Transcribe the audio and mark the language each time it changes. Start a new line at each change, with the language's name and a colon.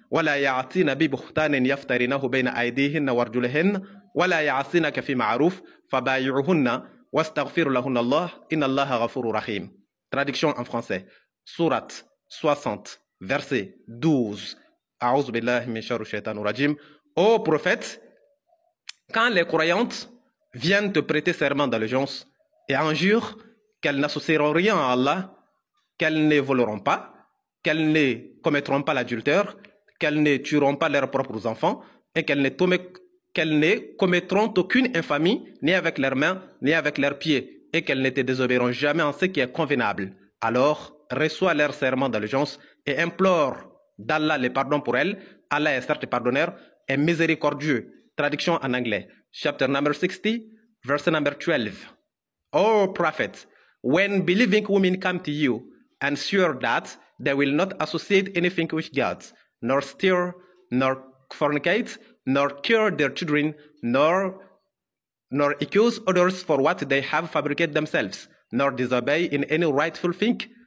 Arabic: ولا يعصين ببهتان يفترينه بين أيديهن وأرجلهن ولا يعصينك في معروف فبايعهن واستغفر لهن الله إن الله غفور رحيم.
French: Traduction en français. Sourate 60, verset 12.
Arabic: أعوذ بالله من شر الشيطان الرجيم.
French: Ô prophète, quand les croyantes viennent te prêter serment d'allégeance et injurent qu'elles n'associeront rien à Allah, qu'elles ne voleront pas, qu'elles ne commettront pas l'adultère, qu'elles ne tueront pas leurs propres enfants et qu'elles ne commettront aucune infamie, ni avec leurs mains, ni avec leurs pieds, et qu'elles ne te désobéiront jamais en ce qui est convenable. Alors, reçois leur serment d'allégeance et implore d'Allah le pardon pour elles. Allah est certes pardonneur et miséricordieux. Traduction en anglais.
English: Chapter number 60, verse number 12. O prophet, when believing women come to you, ensure that they will not associate anything with God, nor steal, nor fornicate, nor cure their children, nor accuse others for what they have fabricated themselves, nor disobey in any rightful thing.